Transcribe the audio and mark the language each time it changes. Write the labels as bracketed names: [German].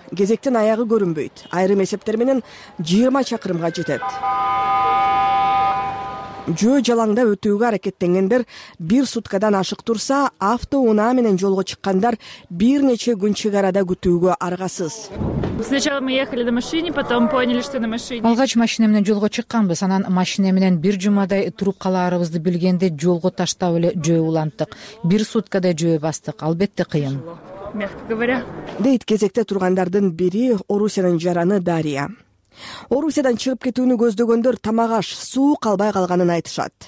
[Kyrgyz] Кезектин аягы көрүнбөйт. Айрым эсептер менен 20 чакырымга жетет. Жөө жалаңда өтүүгө аракеттенгендер бир суткадан ашык турса, авто унаа менен жолго чыккандар бир нече күн чек арада күтүүгө аргасыз. [Russian] Сначала мы ехали на машине, потом поняли, что на машине. [Kyrgyz] Алгач машине менен жолго чыкканбыз, анан машине менен бир жумадай туруп калаарыбызды билгенде жолго таштап эле жөө уланттык. Бир суткадай жөө бастык. Албетте кыйын. [Russian] Мягко говоря. [Kyrgyz] Дейт кезекте тургандардын бири Орусиянын жараны Дарья. Орусиядан чыгып кетүүнү көздөгөндөр тамак аш, суу калбай калганын айтышат.